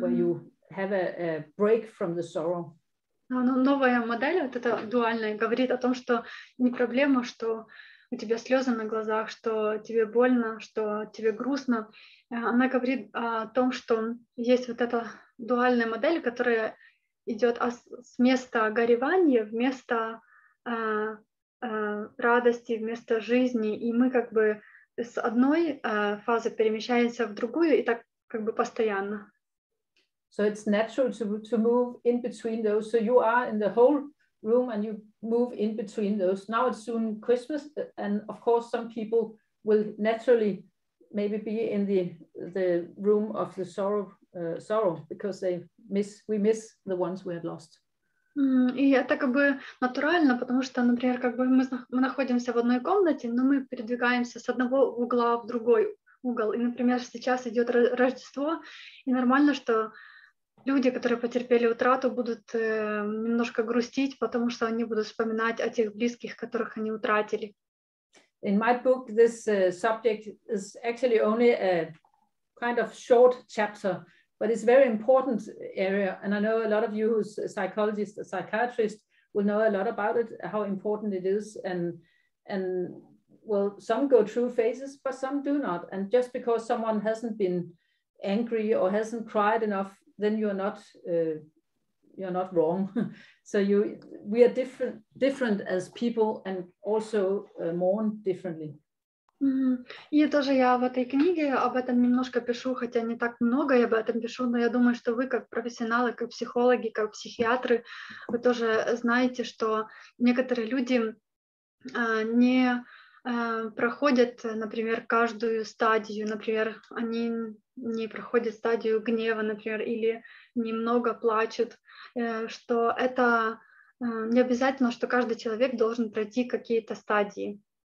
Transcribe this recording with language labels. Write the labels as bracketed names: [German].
[English] where you have a break from the sorrow. [Russian] Но новая модель, вот эта дуальная, говорит о том, что не проблема, что у тебя слезы на глазах, что тебе больно, что тебе грустно. Она говорит о том, что есть вот эта дуальная модель, которая идет с места горевания вместо радости, вместо жизни, и мы как бы с одной фазы перемещаемся в другую, и так как бы постоянно. [English] So it's natural to move in between those. So you are in the whole room and you move in between those. Now it's soon Christmas, and of course some people will naturally maybe be in the room of the sorrow because we miss the ones we have lost. [Russian] И это как бы натурально, потому что, например, как бы мы находимся в одной комнате, но мы передвигаемся с одного угла в другой угол. И, например, сейчас идет Рождество, и нормально, что люди, которые потерпели утрату, будут немножко грустить, потому что они будут вспоминать о тех близких, которых они утратили. [English] In my book, this subject is actually only a kind of short chapter, but it's a very important area. And I know a lot of you who's a psychologist, a psychiatrist, will know a lot about it, how important it is. And well, some go through phases, but some do not. And just because someone hasn't been angry or hasn't cried enough, then you're not wrong. So we are different as people and also mourn differently. Mm-hmm. [Russian] И тоже я в этой книге об этом немножко пишу, хотя не так много я об этом пишу, но я думаю, что вы как профессионалы, как психологи, как психиатры, вы тоже знаете, что некоторые люди проходят, например, каждую стадию, например, они не проходят стадию гнева, например, или немного плачут, что это не обязательно, что каждый человек должен пройти какие-то стадии.